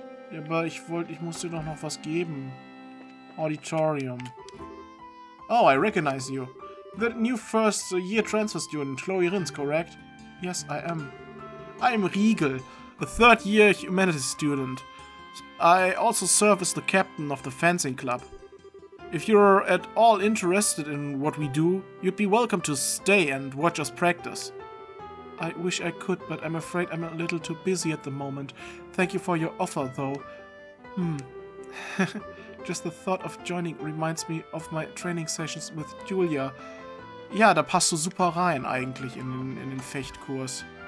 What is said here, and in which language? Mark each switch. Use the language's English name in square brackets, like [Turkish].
[German] Ja, aber ich muss dir doch noch was geben. Auditorium. [English] Oh, I recognize you. The new first year transfer student, Chloe Rins, correct? Yes, I am. I'm Riegel, a third year humanities student. I also serve as the captain of the fencing club. If you're at all interested in what we do, you'd be welcome to stay and watch us practice. I wish I could, but I'm afraid I'm a little too busy at the moment. Thank you for your offer, though. Just the thought of joining reminds me of my training sessions with Julia. [German] Ja, da passt du super rein eigentlich in den Fechtkurs.